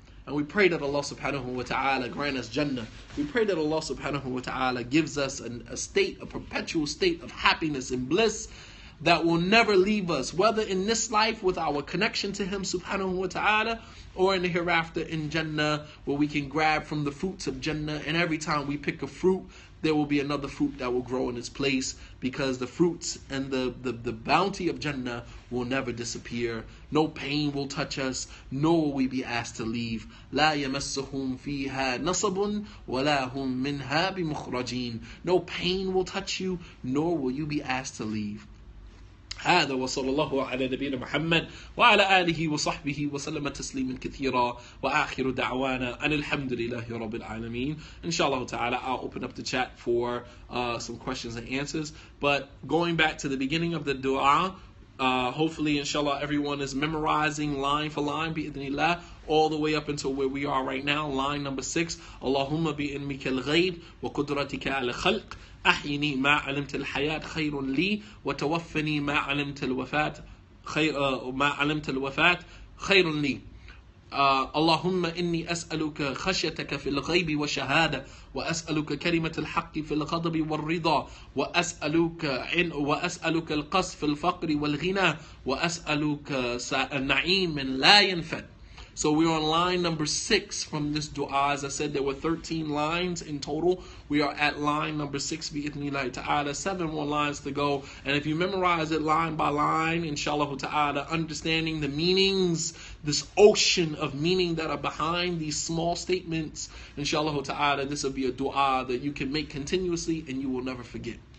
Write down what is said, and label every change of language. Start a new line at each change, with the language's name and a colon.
English: And we pray that Allah subhanahu wa ta'ala grant us jannah. We pray that Allah subhanahu wa ta'ala gives us a state, a perpetual state of happiness and bliss that will never leave us, whether in this life with our connection to Him subhanahu wa ta'ala, or in the hereafter in Jannah, where we can grab from the fruits of Jannah. And every time we pick a fruit, there will be another fruit that will grow in its place, because the fruits and the bounty of Jannah will never disappear. No pain will touch us, nor will we be asked to leave.
Arabic: لا يمسهم فيها نصب ولا هم منها بمخرجين.
English: No pain will touch you, nor will you be asked to leave.
Arabic: هذا وصلى الله على نبينا محمد وعلى آله وصحبه وسلم تسليما كثيرا وآخر دعوانا أن الحمد لله رب العالمين. إن شاء الله تعالى
English: I'll open up the chat for some questions and answers. But going back to the beginning of the dua, hopefully inshallah everyone is memorizing line for line
Arabic: بإذن الله
English: all the way up until where we are right now, line number 6.
Arabic: اللهم بإنمك الغيب وقدرتك على الخلق أحيني ما علمت الحياة خير لي وتوفني ما علمت الوفاة خير ما علمت الوفاة خير لي. اللهم إني أسألك خشيتك في الغيب وشهادة وأسألك كلمة الحق في الغضب والرضا وأسألك القصد في الفقر والغنى وأسألك النعيم لا ينفد.
English: So we're on line number 6 from this dua. As I said, there were 13 lines in total. We are at line number 6, bi'ithnillahi ta'ala. 7 more lines to go. And if you memorize it line by line, inshallah ta'ala, understanding the meanings, this ocean of meaning that are behind these small statements, inshallah ta'ala, this will be a dua that you can make continuously and you will never forget.